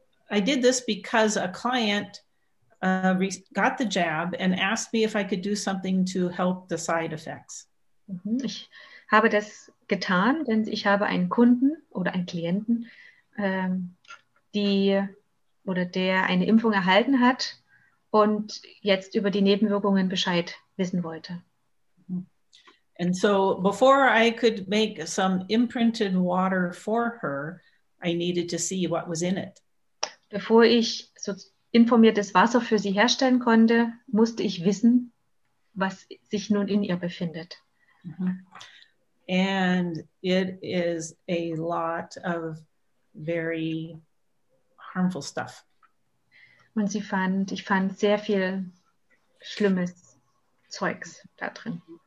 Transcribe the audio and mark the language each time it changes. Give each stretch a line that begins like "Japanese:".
English: I did this because a client got the jab and asked me if I could do something to help the side effects.
German: Ich habe das getan, denn ich habe einen Kunden oder einen Klienten, der eine Impfung erhalten hat und jetzt über die Nebenwirkungen Bescheid wissen wollte.
English: And so before I could make some imprinted water for her, I needed to see what was in it.
German: Bevor ich so informiertes Wasser für sie herstellen konnte, musste ich wissen, was sich nun in ihr befindet. Mm-hmm.
English: And it is a lot of very harmful stuff.
German: Und ich fand sehr viel schlimmes Zeugs da drin.